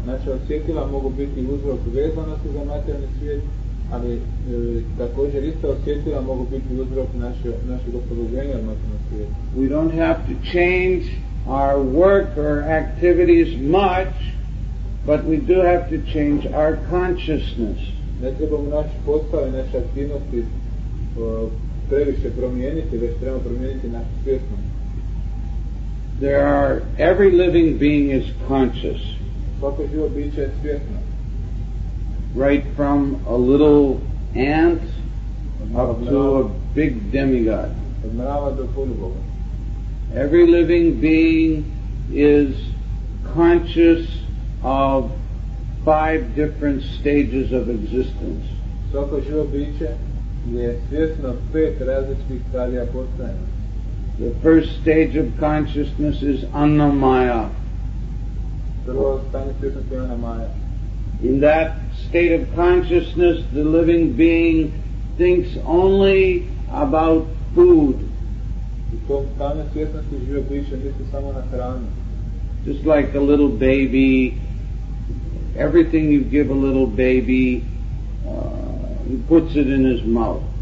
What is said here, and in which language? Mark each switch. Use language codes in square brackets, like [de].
[hr] Naša osjetila mogu biti uzrok vezanosti za materijalni svijet, ali također isto osjetila mogu biti uzrok našeg oslobođenja od materijalnog svijeta. [en] We don't have to change our work or activities much, but we do have to change our consciousness. [hr] Ne trebamo naš postav i naše aktivnosti previše promijeniti, već trebamo promijeniti našu svjesnost. [en] There are, every living being is conscious. [hr] Svako živo biće je svjesno. [en] Right from a little ant up to a big demigod. [hr] Od mrava do poluboga. [en] Every living being is conscious of five different stages of existence. [hr] Svako živo biće je svjesno pet različitih stadija postojanja. [en] The first stage of consciousness is Annamaya. [hr] Prvo stanje svjesnosti je Annamaya. [en] In that state of consciousness, the living being thinks only about food. [hr] U tom stanju svjesnosti živo biće misli samo na hranu. [en] Just like a little baby. Everything you give a little baby, he puts it in his mouth.